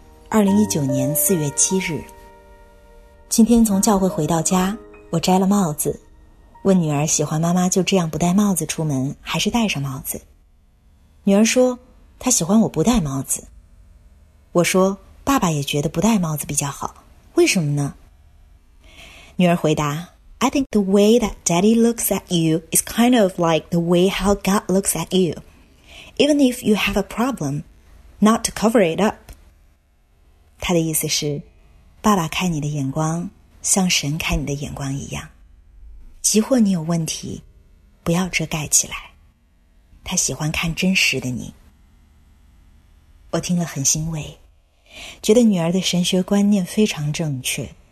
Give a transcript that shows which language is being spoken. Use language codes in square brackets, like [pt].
[zh] 2019年4月7日。今天从教会回到家，我摘了帽子，问女儿喜欢妈妈就这样不戴帽子出门，还是戴上帽子。女儿说，她喜欢我不戴帽子。我说，爸爸也觉得不戴帽子比较好，为什么呢？女儿回答， [en] I think the way that daddy looks at you is kind of like the way how God looks at you. Even if you have a problem, not to cover it up. [zh] 她的意思是，爸爸看你的眼光像神看你的眼光一样，即或你有问题，不要遮盖起来，他喜欢看真实的你。我听了很欣慰，觉得女儿的神学观念非常正确。